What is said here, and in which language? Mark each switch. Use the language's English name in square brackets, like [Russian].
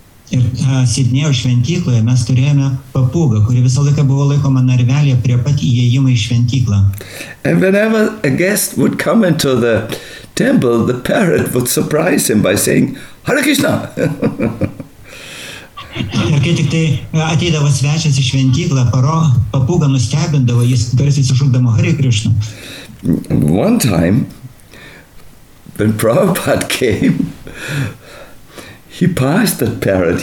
[Lithuanian] Ir Sydney'o šventykloje mes turėjome papūgą, kuri visą laiką buvo laikoma narvelyje prie pat įėjimo į šventyklą. [English] And whenever a guest would come into the temple, the parrot would surprise him by saying, Hare Krishna! [Lithuanian] Ir kai tik tai ateidavo svečias į šventyklą, papūga nustebindavo, jis garsiai sušukdavo, Hare Krishna! [English] One time, when Prabhupada came, he passed the parrot.